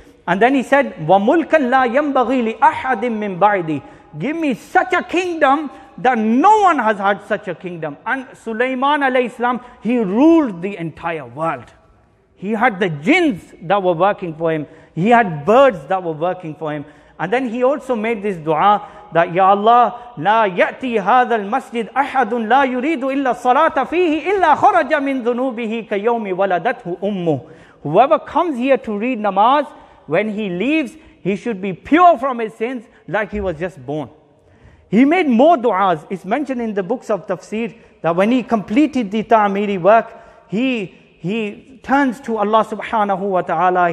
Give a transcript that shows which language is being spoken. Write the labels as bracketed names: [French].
[English] And then he said, [Arabic] "Wa mulkan la yambaghi li ahadin min ba'di." [English] Give me such a kingdom that no one has had such a kingdom. And Sulaiman alayhi salam, he ruled the entire world. He had the jinns that were working for him. He had birds that were working for him. And then he also made this dua that, [Arabic] Ya Allah, لا يأتي هذا المسجد أحد لا يريد إلا صلاة فيه إلا خرج من ذنوبه كيوم ولدته أمه. [English] Whoever comes here to read namaz, when he leaves, he should be pure from his sins like he was just born. He made more du'as. It's mentioned in the books of tafsir that when he completed the ta'miri work, he turns to Allah subhanahu wa ta'ala.